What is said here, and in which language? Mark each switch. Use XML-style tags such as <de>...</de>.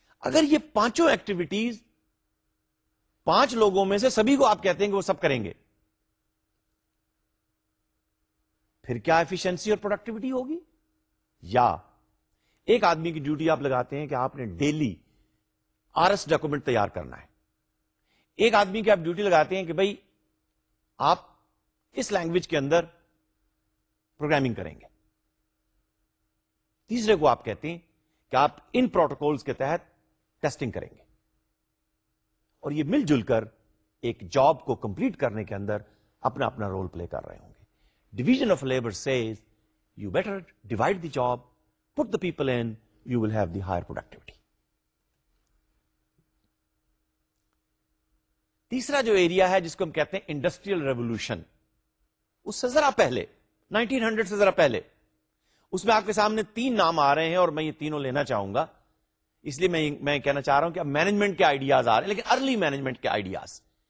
<ur>اگر یہ پانچوں ایکٹیویٹیز پانچ لوگوں میں سے سبھی کو آپ کہتے ہیں کہ وہ سب کریں گے، پھر کیا ایفیشنسی اور پروڈکٹیویٹی ہوگی؟ یا ایک آدمی کی ڈیوٹی آپ لگاتے ہیں کہ آپ نے ڈیلی RS ڈاکومنٹ تیار کرنا ہے، ایک آدمی کی آپ ڈیوٹی لگاتے ہیں کہ بھائی آپ اس لینگویج کے اندر پروگرامنگ کریں گے، تیسرے کو آپ کہتے ہیں کہ آپ ان پروٹوکولز کے تحت ٹیسٹنگ کریں گے، اور یہ مل جل کر ایک جاب کو کمپلیٹ کرنے کے اندر اپنا اپنا رول پلے کر رہے ہوں گے.</ur> <en>Division of labour says you better divide the job, put the people in, you will have the higher productivity.</en> <ur>تیسرا جو ایریا ہے جس کو ہم کہتے ہیں انڈسٹریل ریولوشن، اس سے ذرا پہلے، 1900 سے ذرا پہلے، اس میں آپ کے سامنے تین نام آ رہے ہیں اور میں یہ تینوں لینا چاہوں گا. اس لیے میں کہنا چاہ رہا ہوں کہ اب مینجمنٹ کے آئیڈیاز آ رہے ہیں، لیکن ارلی مینجمنٹ کے آئیڈیاز.</ur>